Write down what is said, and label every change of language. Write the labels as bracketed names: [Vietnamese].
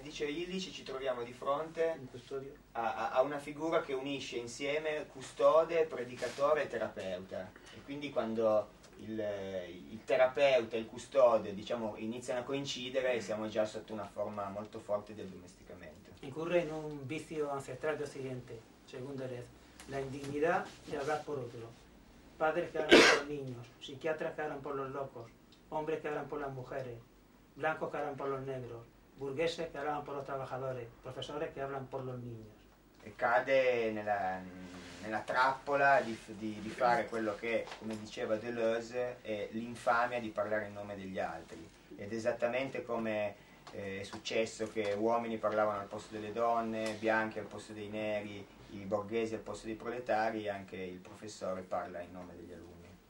[Italian] dice Illich, ci troviamo di fronte a una figura che unisce insieme custode, predicatore e terapeuta. E quindi quando il terapeuta e il custode, diciamo, iniziano a coincidere, siamo già sotto una forma molto forte del domesticamento. [Spanish] Incurre en un vicio ancestral de Occidente, según Deleuze, la indignidad de hablar por otro. Padres que hablan por los niños, psiquiatras que hablan por los locos, hombres que hablan por las mujeres, blancos que hablan por los negros, burgueses que hablan por los trabajadores, profesores que hablan por los niños. [Italian] E cade nella trappola di fare quello che, come diceva Deleuze, è l'infamia di parlare in nome degli altri. Ed esattamente come è successo che uomini parlavano al posto delle donne, bianchi al posto dei neri, i borghesi al posto dei proletari, anche il professore parla in nome degli alunni.